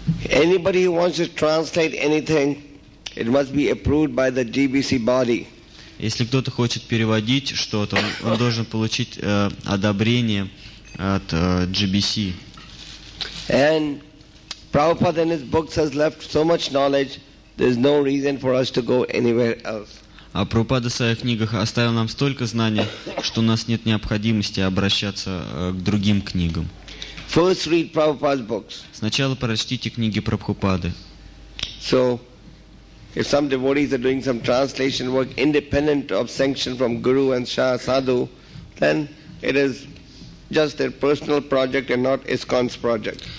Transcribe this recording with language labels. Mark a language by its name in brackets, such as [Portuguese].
[English] Anybody who wants to translate anything, it must be approved by the GBC body. [Russian] Если кто-то хочет переводить что-то, он должен получить одобрение от GBC. [English] And Prabhupada in his books has left so much knowledge, there's no reason for us to go anywhere else. [Russian] А Прабхупада в своих книгах оставил нам столько знаний, что у нас нет необходимости обращаться к другим книгам. [English] First read Prabhupada's books. [Russian] Сначала прочтите книги Прабхупады. [English] So, if some devotees are doing some translation work independent of sanction from Guru and Shah Sadhu, then it is just their personal project and not ISKCON's project.